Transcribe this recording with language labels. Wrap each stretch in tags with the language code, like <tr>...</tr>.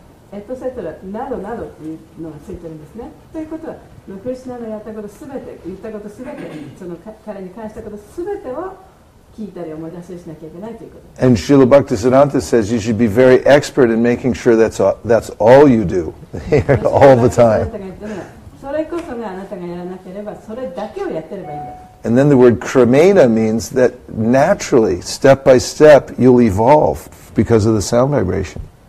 <ja>エトセトラなどなどというのがついてるんですね。ということは、クリシュナのやったことすべて、言ったことすべて、その彼に関したことすべてを聞いたり思い出しをしなきゃいけないということです。</ja> <en>And Srila Bhaktisiddhanta says you should be very expert in making sure that's all you do all the time.</en> <ja>それこそがあなたがやらなければ、それだけをやってればいいんだ。</ja> <en>And then the word kremena means that naturally, step by step, you'll evolve because of the sound vibration.</en>